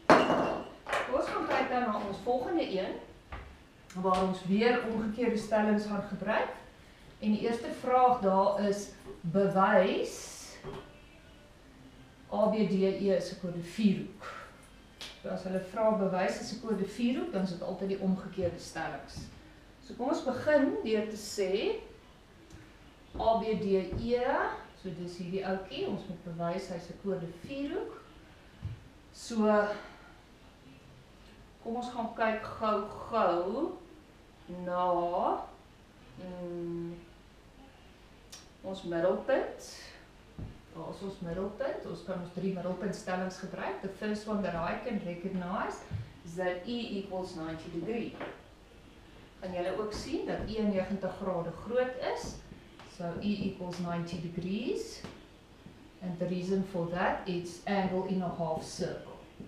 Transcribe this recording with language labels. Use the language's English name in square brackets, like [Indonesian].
[Afrikaans] Ons gaan kyk dan na ons volgende een waar ons weer omgekeerde stellings gaan gebruik. En die eerste vraag daar is bewys ABDE is 'n koorde vierhoek. So as hulle vra bewys is 'n koorde vierhoek, dan is dit altyd die omgekeerde stellings. So kom ons begin deur te sê ABDE, so dis hierdie ouetjie, ons moet bewys hy is 'n koorde vierhoek. So kom ons gaan kyk gou-gou na ons middelpunt. Als ons middelpunt, ons kan ons drie middelpuntstellings gebruik. [English] The first one that I can recognize is that E equals 90 degree. [Afrikaans] Kan julle ook sien dat E 90 grade groot is? [English] So E equals 90 degrees. And the reason for that is angle in a half circle.